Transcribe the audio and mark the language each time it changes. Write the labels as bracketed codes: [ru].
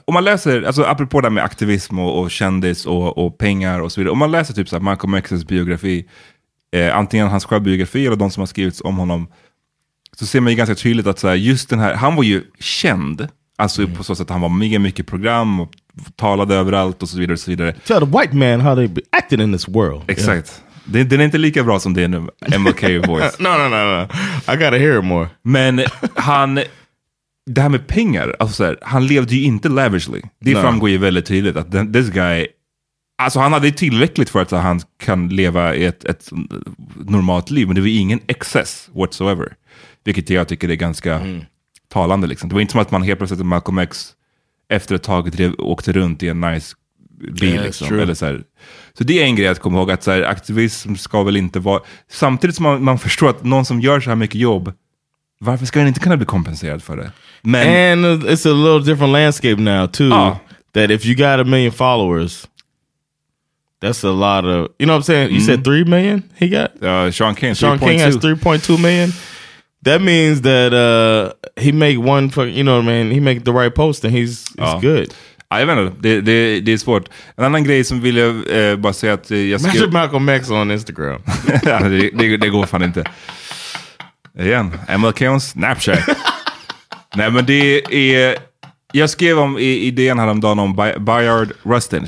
[sv] Om man läser, alltså apropå det med aktivism och kändis och pengar och så vidare. Om man läser typ så här Malcolm X's biografi, antingen hans självbiografi eller de som har skrivits om honom, så ser man ju ganska tydligt att så här, just den här, han var ju känd. Alltså på så sätt att han var mycket, mycket program och talade överallt och så vidare och så vidare. [en] Tell the white man how they acted in this world. [sv] Exakt. [en] Yeah. [sv] Den är inte lika bra som det nu, MLK voice. [en] No. I gotta hear it more. [sv] Men han, det här med pengar, alltså så här, han levde ju inte lavishly. Det framgår ju väldigt tydligt att [en] this guy, [sv] alltså han hade tillräckligt för att så, han kan leva ett normalt liv, men det var ingen [en] excess whatsoever. [sv] Vilket jag tycker är ganska... Mm. talande liksom. Det var inte som att man helt plötsligt Malcolm X efter ett tag åkte runt i en nice bil liksom. Eller så, så det är en grej att komma ihåg, att så här, aktivism ska väl inte vara, samtidigt som man förstår att någon som gör så här mycket jobb, varför ska den inte kunna bli kompenserad för det? Men, [en] and it's a little different landscape now too, that if you got a million followers, that's a lot of, you know what I'm saying? You said 3 million he got? Sean King, Sean 3.2. King has 3.2 million. That means that he make one for, you know what I mean, he make the right post and he's good. I don't know. [sv] Det är svårt. En annan grej som vill jag bara säga, att jag skrev... [en] Imagine Malcolm X on Instagram. [sv] det går fan inte. Igen, [en] MLK on Snapchat. [sv] Nej, men det är... Jag skrev om idén häromdagen om Bayard Rustin.